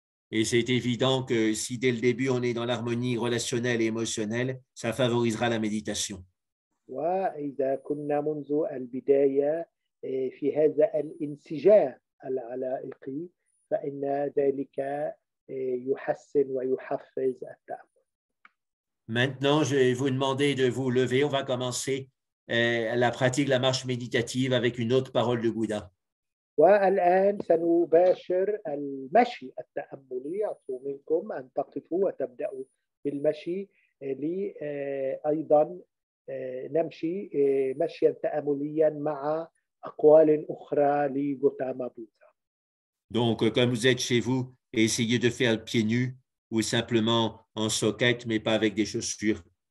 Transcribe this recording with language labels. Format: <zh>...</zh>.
<fr>Et c'est évident que si dès le début on est dans l'harmonie relationnelle et émotionnelle, ça favorisera la méditation.</fr> <ar>وإذا كنا منذ البداية في هذا الانسجام العلائقي فإن ذلك يحسن ويحفز التأمل.</ar> <fr>Maintenant, je vais vous demander de vous lever. On va commencer la pratique, la marche méditative avec une autre parole de Bouddha.</fr> <ar>والآن سنباشر المشي التأملي. أطلب منكم أن تقفوا وتبدأوا بالمشي لأيضا نمشي مشيا تأمليا مع أقوال أخرى لغوتاما بوذا.</ar> <fr>Donc, comme vous êtes chez vous, essayez de faire pieds nus ou simplement en soquettes, mais pas avec des chaussures.</fr>